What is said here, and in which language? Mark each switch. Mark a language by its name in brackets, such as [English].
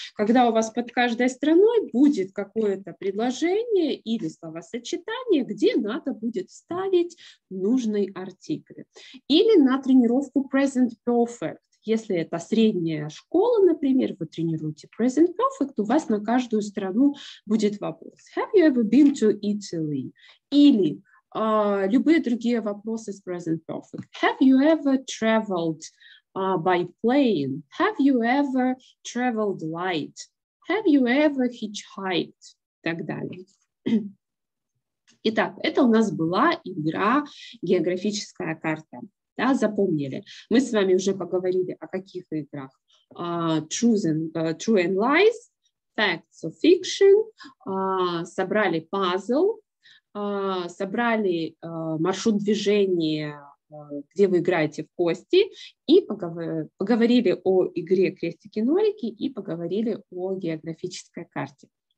[Russian] Когда у вас под каждой страной будет какое-то предложение или словосочетание, где надо будет вставить нужный артикль. Или на тренировку Present Perfect. Если это средняя школа, например, вы тренируете Present Perfect, у вас на каждую страну будет вопрос. [English] Have you ever been to Italy? [Russian] Или любые другие вопросы с Present Perfect. [English] Have you ever traveled by plane? Have you ever traveled light? Have you ever hitchhiked? [Russian] И так далее. Итак, это у нас была игра «Географическая карта». Да, запомнили. Мы с вами уже поговорили о каких играх. True and Lies, Facts or Fiction, собрали пазл, собрали маршрут движения, где вы играете в кости, и поговорили о игре крестики-нолики и поговорили о географической карте.